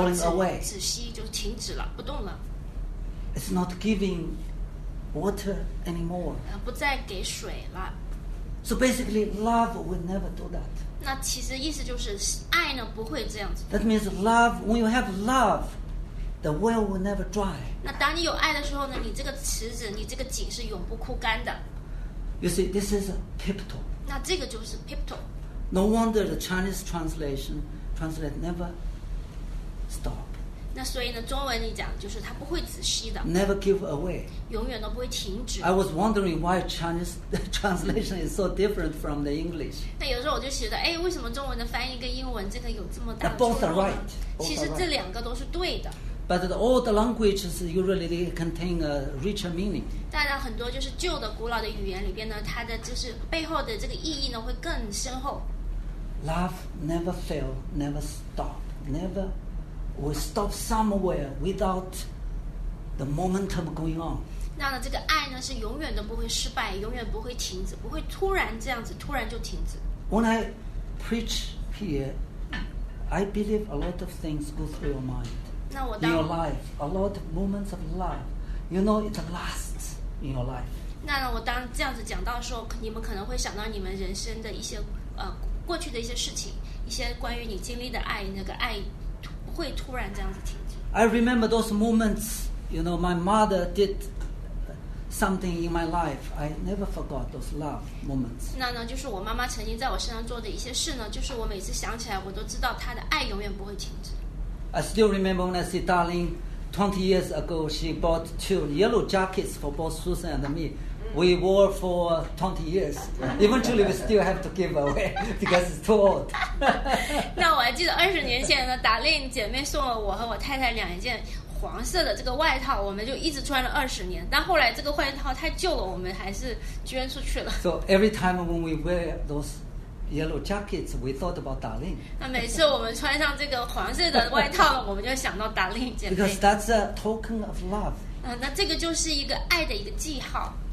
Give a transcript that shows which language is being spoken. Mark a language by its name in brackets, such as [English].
[English] falling away, [Chinese] 止息，就停止了，不动了。 [English] It's not giving water anymore. [Chinese] 不再给水了。 [English] So basically, love will never do that. [Chinese] 那其实意思就是爱呢不会这样子。 [English] That means love. When you have love, the well will never dry. [Chinese] 那当你有爱的时候呢，你这个池子，你这个井是永不枯干的。 [English] You see, this is pipto. [Chinese] 那这个就是 pipto. [English] No wonder the Chinese translate never stop. [Chinese] 那所以呢，中文里讲就是它不会止息的 [English] ，never give away， [Chinese] 永远都不会停止。 [English] I was wondering why Chinese translation is so different from the English。 [Chinese] 那有时候我就觉得，哎，为什么中文的翻译跟英文这个有这么大的 [English] ？Now both are right。 [Chinese] 其实这两个都是对的。 [English] But all the languages usually contain a richer meaning。 [Chinese] 当然，很多就是旧的、古老的语言里边呢，它的就是背后的这个意义呢会更深厚。 [English] Love never fail, never stop, never. We stop somewhere without the momentum going on. [Chinese] 那呢，这个爱呢是永远都不会失败，永远不会停止，不会突然这样子，突然就停止。 [English] When I preach here, I believe a lot of things go through your mind. [Chinese] 那我当 [English] in your life, a lot of moments of life, you know, it lasts in your life. [Chinese] 那呢，我当这样子讲到的时候，你们可能会想到你们人生的一些过去的一些事情，一些关于你经历的爱，那个爱。会突然这样子停止。 [English] I remember those moments, you know, my mother did something in my life. I never forgot those love moments. [Chinese] 那呢，就是我妈妈曾经在我身上做的一些事呢，就是我每次想起来，我都知道她的爱永远不会停止。 [English] I still remember when I say, darling, 20 years ago, she bought two yellow jackets for both Susan and me. We wore for 20 years. Eventually, we still have to give away because it's too old. [Chinese] 那我还记得二十年前呢，达令姐妹送了我和我太太两件黄色的这个外套，我们就一直穿了二十年。但后来这个外套太旧了，我们还是捐出去了。 [English] So every time when we wear those yellow jackets, we thought about Darling. [Chinese] 那每次我们穿上这个黄色的外套，我们就想到达令姐妹。 [English] Because that's a token of love. [Chinese] 那这个就是一个爱的一个记号。